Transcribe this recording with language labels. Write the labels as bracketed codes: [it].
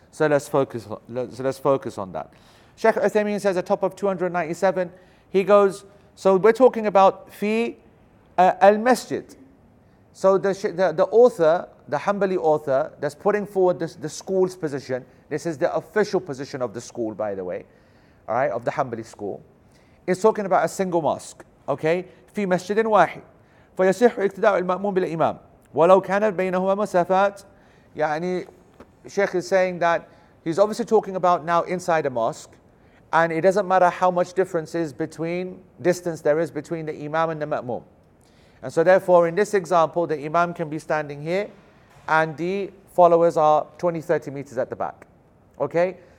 [en] So let's focus on that. Sheikh Uthaymeen says, at the top of 297, he goes, so we're talking about fi al-masjid. So the author, the Hanbali author, that's putting forward the school's position. This is the official position of the school, by the way, all right, of the Hanbali school. is talking about a single mosque, okay? [ar] في مسجد واحد. فيصح اقتداء المأموم بالإمام ولو كانت بينهما مسافات. [en] يعني Sheikh is saying that he's obviously talking about now inside a mosque, and it doesn't matter how much difference is between distance there is between the Imam and the Ma'mum. And so therefore in this example, the Imam can be standing here and the followers are 20, 30 meters at the back. Okay?